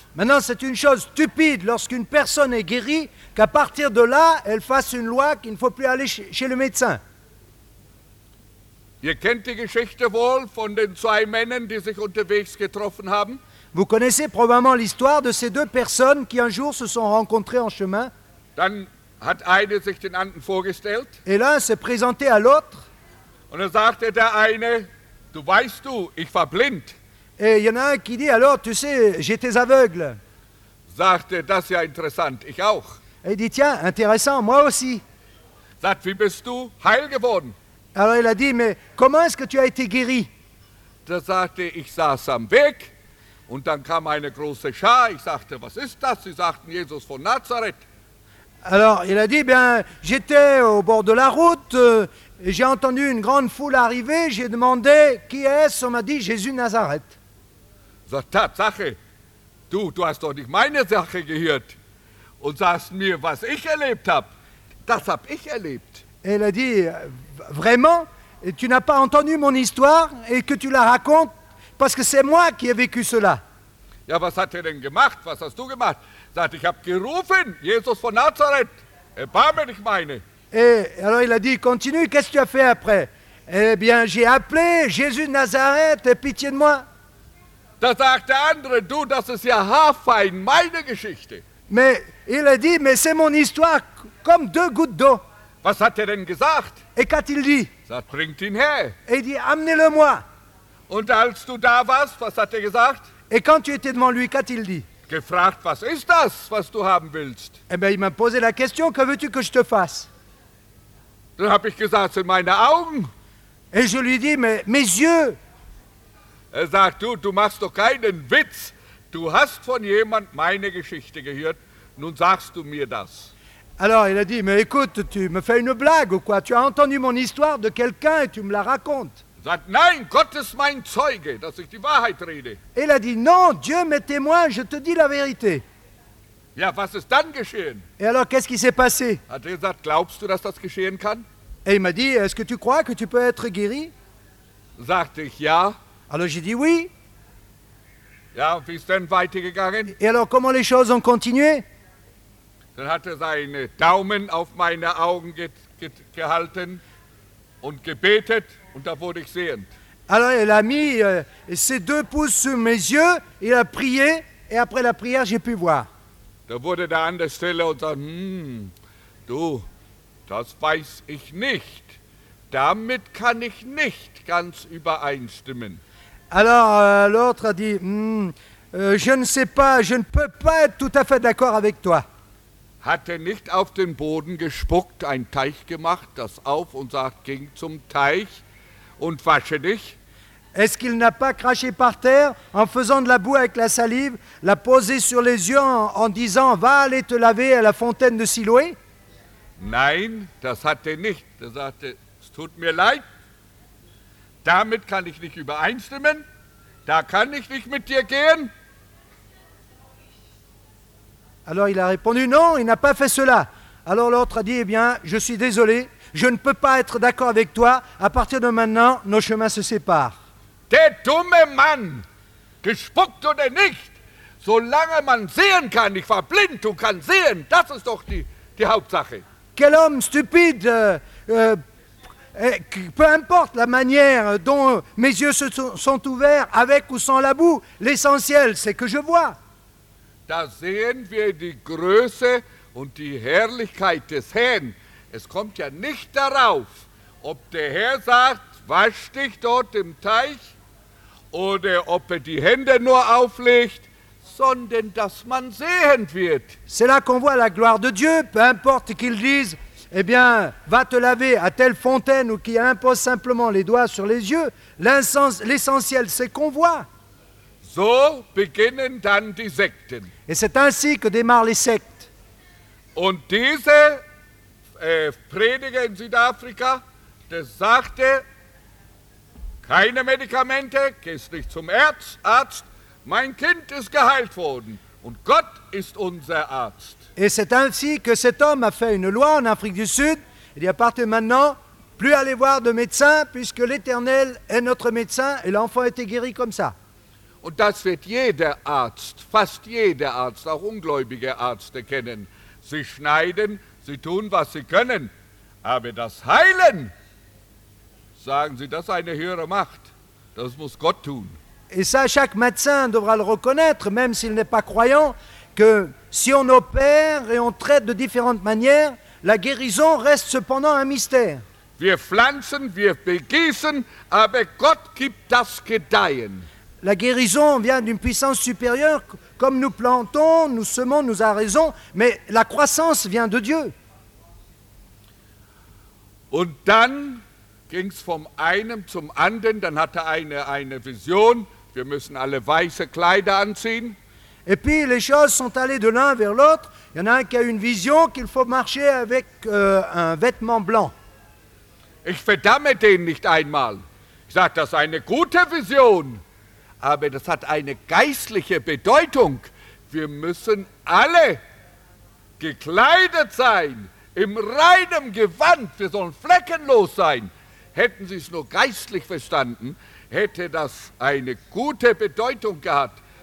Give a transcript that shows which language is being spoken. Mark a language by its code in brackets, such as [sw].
[fr] Maintenant, c'est une chose stupide lorsqu'une personne est guérie, qu'à partir de là, elle fasse une loi qu'il ne faut plus aller chez le médecin. [de] Ihr kennt die Geschichte wohl von den zwei Männern, die sich unterwegs getroffen haben. [fr] Vous connaissez probablement l'histoire de ces deux personnes qui un jour se sont rencontrées en chemin. [de] Dann hat einer sich den anderen vorgestellt. [fr] Et l'un s'est présenté à l'autre. [de] Und dann sagte der eine, du weißt du, ich war blind. [fr] Et il y en a un qui dit, alors tu sais, j'étais aveugle. [de] Sagte, das ist ja interessant, ich auch. [fr] Et il dit, tiens, intéressant, moi aussi. [de] Sagt, wie bist du heil geworden? [fr] Alors il a dit, mais comment est-ce que tu as été guéri? [de] Da sagte, ich saß am Weg und dann kam eine große Schar. Ich sagte, was ist das? Sie sagten, Jesus von Nazareth. [fr] Alors il a dit, bien, j'étais au bord de la route, j'ai entendu une grande foule arriver, j'ai demandé, qui est-ce? On m'a dit, Jésus Nazareth. [de] Sagt, Tatsache, du hast doch nicht meine Sache gehört und sagst mir, was ich erlebt habe. Das habe ich erlebt. [fr] Il a dit, vraiment? Et tu n'as pas entendu mon histoire et que tu la racontes parce que c'est moi qui ai vécu cela. [de] Ja, was hat er denn gemacht? Was hast du gemacht? Sagt, ich habe gerufen, Jesus von Nazareth. Erbarme dich meine. [fr] Et alors il a dit, continue, qu'est-ce que tu as fait après? Eh bien, j'ai appelé Jésus de Nazareth, aie pitié de moi. [de] Da sagt der andere, du, das ist ja haarfein, meine Geschichte. [fr] Mais il a dit, mais c'est mon histoire, comme deux gouttes d'eau. [de] Was hat er denn gesagt? [fr] Et qu'a-t-il dit? [de] Sagt, bringt ihn her. [fr] Et il dit, amenez-le-moi. [de] Und als du da warst, was hat er gesagt? [fr] Et quand tu étais devant lui, qu'a-t-il dit? [de] Gefragt, was ist das, was du haben willst? [fr] Eh bien, il m'a posé la question, que veux-tu que je te fasse? [de] Dann habe ich gesagt, sind meine Augen. [fr] Et je lui dis, mais mes yeux. [de] Er sagt, du machst doch keinen Witz. Du hast von jemand meine Geschichte gehört. Nun sagst du mir das. [fr] Alors il a dit, mais écoute, tu me fais une blague ou quoi? Tu as entendu mon histoire de quelqu'un et tu me la racontes. [de] Sagt, nein, Gott ist mein Zeuge, dass ich die Wahrheit rede. [fr] Il a dit, non, Dieu m'est témoin, je te dis la vérité. [de] Ja, was ist dann geschehen? [fr] Et alors, qu'est-ce qui s'est passé? [de] Hat er gesagt, glaubst du, dass das geschehen kann? [fr] Et il m'a dit, est-ce que tu crois que tu peux être guéri? [de] Sagte ich, ja. [fr] Alors j'ai dit, oui. [de] Ja, und wie ist denn weitergegangen? [fr] Et alors, comment les choses ont continué? [de] Dann hat er seine Daumen auf meine Augen gehalten und gebetet und da wurde ich sehend. [fr] Alors il a mis ses deux pouces sur mes yeux, il a prié et après la prière j'ai pu voir. [de] Da wurde der andere stille und sagt, du, das weiß ich nicht. Damit kann ich nicht ganz übereinstimmen. [fr] Alors l'autre a dit, je ne sais pas, je ne peux pas être tout à fait d'accord avec toi. [de] Hat er nicht auf den Boden gespuckt, ein Teich gemacht, das auf und sagt, ging zum Teich und wasche dich? [fr] Est-ce qu'il n'a pas craché par terre en faisant de la boue avec la salive, la posé sur les yeux en disant, va aller te laver à la fontaine de Siloé? [de] Nein, das hat er nicht. Er sagte, es tut mir leid, damit kann ich nicht übereinstimmen, da kann ich nicht mit dir gehen. [fr] Alors il a répondu, non, il n'a pas fait cela. Alors l'autre a dit, eh bien, je suis désolé, je ne peux pas être d'accord avec toi. À partir de maintenant, nos chemins se séparent. [de] Der dumme Mann, gespuckt oder nicht, solange man sehen kann, ich war blind, du kannst sehen, das ist doch die Hauptsache. [fr] Quel homme stupide, peu importe la manière dont mes yeux sont ouverts, avec ou sans la boue, l'essentiel, c'est que je vois. [de] Da sehen wir die Größe und die Herrlichkeit des Herrn. Es kommt ja nicht darauf, ob der Herr sagt, wasch dich dort im Teich oder ob er die Hände nur auflegt, sondern dass man sehen wird. [fr] C'est là qu'on voit la gloire de Dieu, peu importe qu'il dise, eh bien, va te laver à telle fontaine ou qu'il impose simplement les doigts sur les yeux. L'essentiel, c'est qu'on voit. [de] So beginnen dann die Sekten. [fr] Et c'est ainsi que démarrent les sectes. [de] Und diese Prediger in Südafrika, der sagte, keine Medikamente, gehst nicht zum Arzt, mein Kind ist geheilt worden und Gott ist unser Arzt. [fr] Et c'est ainsi que cet homme a fait une loi en Afrique du Sud, il dit à partir de maintenant, plus aller voir de médecin, puisque l'Éternel est notre médecin et l'enfant a été guéri comme ça. [de] Und das wird jeder Arzt, fast jeder Arzt, auch ungläubige Ärzte kennen. Sie schneiden, sie tun, was sie können. Aber das Heilen, sagen sie, das ist eine höhere Macht. Das muss Gott tun. [fr] Et ça, chaque médecin devra le reconnaître, même s'il n'est pas croyant, que si on opère et on traite de différentes manières, la guérison reste cependant un mystère. [de] Wir pflanzen, wir begießen, aber Gott gibt das Gedeihen. [fr] La guérison vient d'une puissance supérieure, comme nous plantons, nous semons, nous arraisons, mais la croissance vient de Dieu. [de] Und dann ging's vom einen zum anderen, dann hatte eine Vision, wir müssen alle weiße Kleider anziehen. [fr] Et puis les choses sont allées de l'un vers l'autre, il y en a un qui a une vision qu'il faut marcher avec un vêtement blanc. [de] Ich verdamme den nicht einmal. Ich sage, das ist eine gute Vision. Aber das hat eine geistliche Bedeutung. Wir müssen alle gekleidet sein, im reinen Gewand. Wir sollen fleckenlos sein. Hätten Sie es nur geistlich verstanden, hätte das eine gute Bedeutung gehabt.